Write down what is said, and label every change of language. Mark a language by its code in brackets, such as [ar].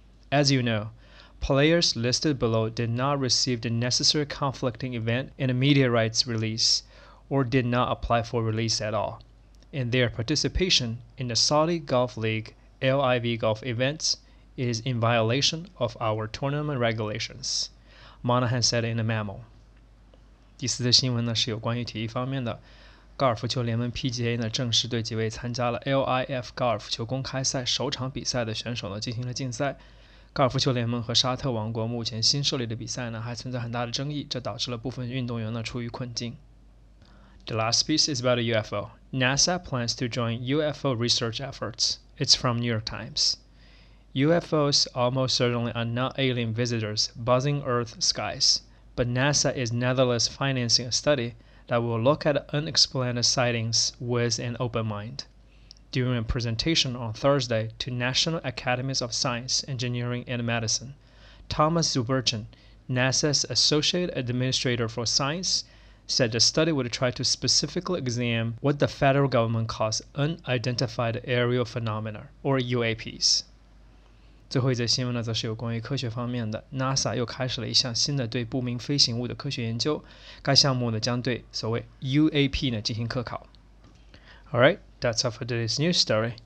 [en] As you know,Players listed below did not receive the necessary conflicting event and a media rights release, or did not apply for release at all. And their participation in the Saudi Golf League LIV golf events is in violation of our tournament regulations, Monahan said in a memo. [zh] 第四则新闻呢是有关于体育方面的。高尔夫球联盟 PGA 呢正式对几位参加了 LIF 高尔夫球公开赛首场比赛的选手呢进行了竞赛。高尔夫球联盟和沙特王国目前新设立的比赛呢还存在很大的争议，这导致了部分运动员呢处于困境。 [en] The last piece is about a UFO. NASA plans to join UFO research efforts. It's from New York Times. UFOs almost certainly are not alien visitors buzzing Earth skies, but NASA is nevertheless financing a study that will look at unexplained sightings with an open mind. During a presentation on Thursday to National Academies of Science, Engineering, and Medicine, Thomas Zurbuchen, NASA's Associate Administrator for Science, said the study would try to specifically examine what the federal government calls Unidentified Aerial Phenomena, or UAPs. [zh] 最后一则新闻呢，则是有关于科学方面的。NASA 又开始了一项新的对不明飞行物的科学研究，该项目呢将对所谓 UAP 呢进行科考。 [en] All right, that's all for today's news story.